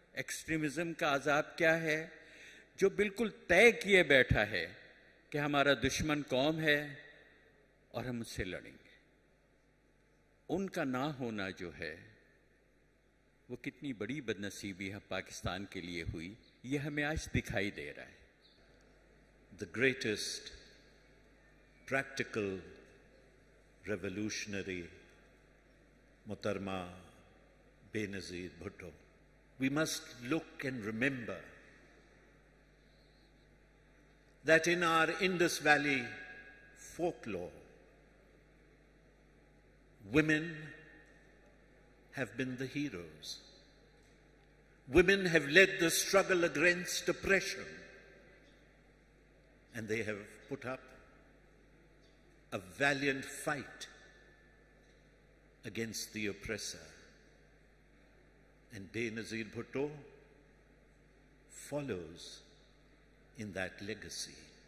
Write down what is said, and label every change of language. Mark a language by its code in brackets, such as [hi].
[ur] Extremism کا عذاب کیا ہے جو بالکل طے کیے بیٹھا ہے کہ ہمارا دشمن قوم ہے اور ہم اس سے لڑیں گے. ان کا نہ ہونا جو ہے وہ کتنی بڑی بدنصیبی ہے پاکستان کے لیے ہوئی, یہ ہمیں آج دکھائی دے رہا ہے. [en] The greatest practical revolutionary محترمہ Benazir Bhutto, we must look and remember that in our Indus valley folklore women have been the heroes. Women have led the struggle against oppression, and they have put up a valiant fight against the oppressor. And Benazir Bhutto follows in that legacy.